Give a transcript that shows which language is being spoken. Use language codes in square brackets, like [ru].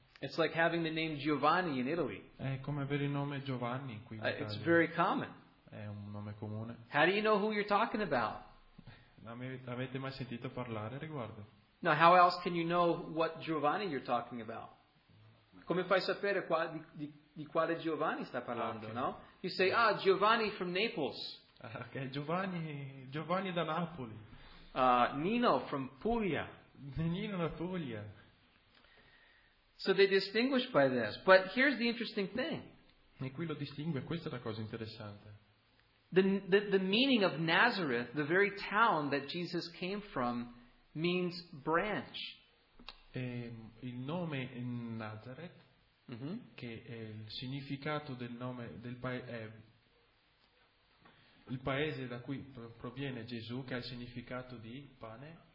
[en] It's like having the name Giovanni in Italy. [it] È come avere il nome Giovanni qui in Italia. [en] It's very common. [it] È un nome comune. [en] How do you know who you're talking about? [it] Avete mai sentito parlare riguardo? [en] Now, how else can you know what Giovanni you're talking about? [it] Come fai a sapere di quale Giovanni sta parlando, okay. No? [en] You say, ah, Giovanni from Naples. [it] Okay, Giovanni da Napoli. [en] Nino from Puglia. [it] Nino da Puglia. [en] So they distinguish by this. But here's the interesting thing. [it] E qui lo distingue, questa è la cosa interessante. [en] The meaning of Nazareth, the very town that Jesus came from, means branch. [it] Il nome Nazareth, mm-hmm. che è il significato del nome del paese, il paese da cui proviene Gesù, che ha il significato di pane.